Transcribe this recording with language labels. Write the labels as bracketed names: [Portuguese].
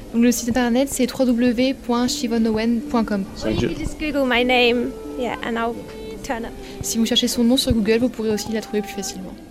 [French] Donc le site internet, c'est www.siobhanowen.com. [English] Thank you. Or you can just Google my name, yeah, and I'll turn up. [French] Si vous cherchez son nom sur Google, vous pourrez aussi la trouver plus facilement.